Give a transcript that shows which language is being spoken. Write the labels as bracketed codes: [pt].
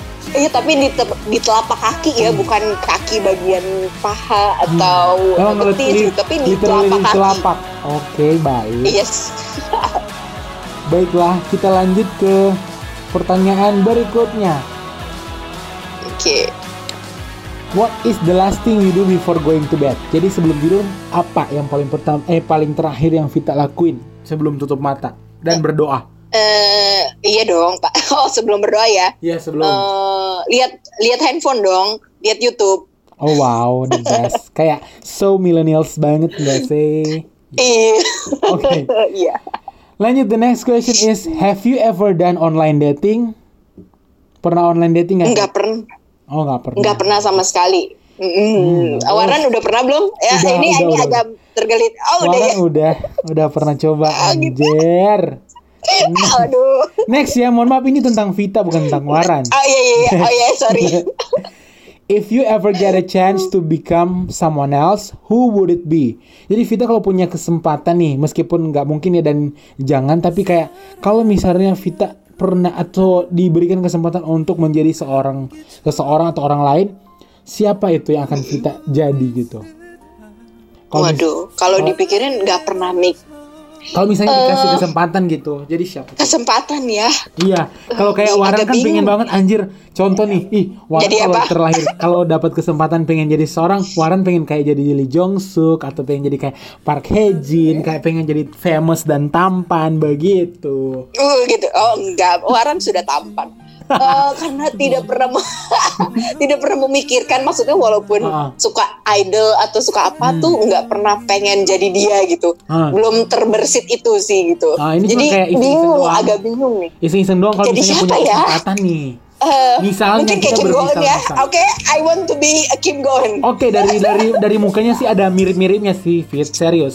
[id] Iya, tapi di telapak kaki ya, bukan kaki bagian paha atau betis, tapi di telapak kaki. Oke, baik. [en] Yes. [id] Baiklah, kita lanjut ke pertanyaan berikutnya. Oke. [en] What is the last thing you do before going to bed? [id] Jadi sebelum tidur, apa yang paling pertama, paling terakhir yang Vita lakuin sebelum tutup mata dan berdoa? Iya dong, Pak. Oh, sebelum berdoa ya? Iya, sebelum. Lihat handphone dong, lihat YouTube. [en] Oh wow, the best. [id] Kayak so millennials banget nggak sih? Iya. Oke. Iya. [en] Lanjut, the next question is, have you ever done online dating? [id] Pernah online dating nggak? Nggak pernah. Oh, nggak pernah. Nggak pernah sama sekali. Waran udah pernah belum? Ya, udah, ini udah, ini udah. Agak tergelit. Oh, Waran udah ya? Udah pernah coba, anjir. Aduh. Next ya, mohon maaf, ini tentang Vita, bukan tentang Waran. Oh iya, sorry. [en] If you ever get a chance to become someone else, who would it be? [id] Jadi Vita kalau punya kesempatan nih, meskipun nggak mungkin ya dan jangan, tapi kayak kalau misalnya Vita pernah atau diberikan kesempatan untuk menjadi seorang seseorang atau orang lain, siapa itu yang akan Vita jadi gitu? Kalau dipikirin nggak pernah make. Kalau misalnya dikasih kesempatan gitu, jadi siapa? Kesempatan ya. Iya, kalau kayak Waran kan pingin banget, anjir. Contoh nih, Waran kalau terlahir, kalau dapat kesempatan pengen jadi seorang, Waran pengen kayak jadi Lee Jong Suk atau pengen jadi kayak Park Hae Jin, kayak pengen jadi famous dan tampan begitu. Gitu. Oh enggak, Waran sudah tampan. Karena tidak pernah tidak pernah memikirkan, maksudnya walaupun suka idol atau suka apa tuh enggak pernah pengen jadi dia gitu. Belum terbersit itu sih gitu. Jadi bingung, agak bingung nih. Iseng-iseng doang kalau misalnya punya kesempatan ya? Nih. Misalnya mungkin kayak Kim Go Eun ya. [en] Okay, I want to be a Kim Go Eun. [id] Okay, dari mukanya sih ada mirip-miripnya sih, Fit, serius.